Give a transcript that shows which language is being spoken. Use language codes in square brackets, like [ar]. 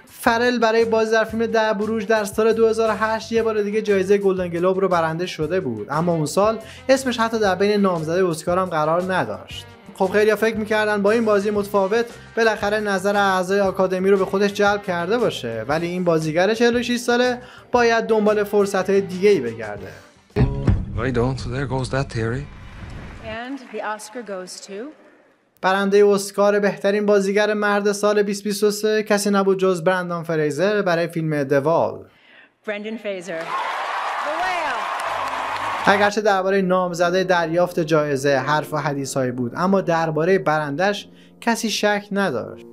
[fa] فرل برای بازی در فیلم ده بروج در سال 2008 یه بار دیگه جایزه گلدن گلوب رو برنده شده بود، اما اون سال اسمش حتی در بین نامزدهای اسکار هم قرار نداشت. خب خیلی‌ها فکر می‌کردن با این بازی متفاوت بالاخره نظر اعضای آکادمی رو به خودش جلب کرده باشه، ولی این بازیگر 46 ساله باید دنبال فرصت‌های دیگه‌ای بگرده. [en] Why don't there goes that theory? Yeah, And the Oscar goes to... [fa] برنده اسکار بهترین بازیگر مرد سال 2023 کسی نبود جز برندن فریزر برای فیلم دوال. برندن فریزر. اگرچه درباره نامزده دریافت جایزه حرف و حدیث‌های بود، اما درباره برندش کسی شک نداشت.